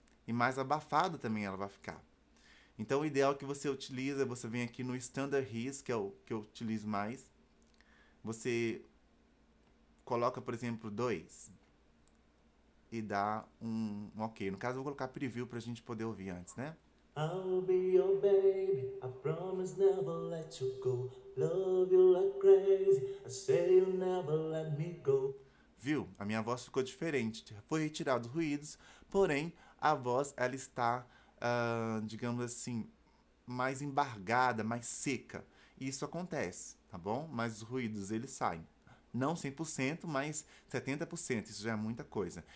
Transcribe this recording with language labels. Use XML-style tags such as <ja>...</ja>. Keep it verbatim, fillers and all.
<pt>E mais abafada também ela vai ficar. Então o ideal é que você utiliza, você vem aqui no Standard Res, que é o que eu utilizo mais. Você coloca, por exemplo, dois e dá um, um ok. No caso eu vou colocar preview pra gente poder ouvir antes, né?</pt> <en>I'll be your baby, I promise never let you go. Love you like crazy, I say you never let me go.</en> <pt>Viu? A minha voz ficou diferente. Foi retirado os ruídos, porém a voz ela está, ah, digamos assim, mais embargada, mais seca. Isso acontece, tá bom? Mas os ruídos eles saem. Não cem por cento, mas setenta por cento. Isso já é muita coisa.</pt>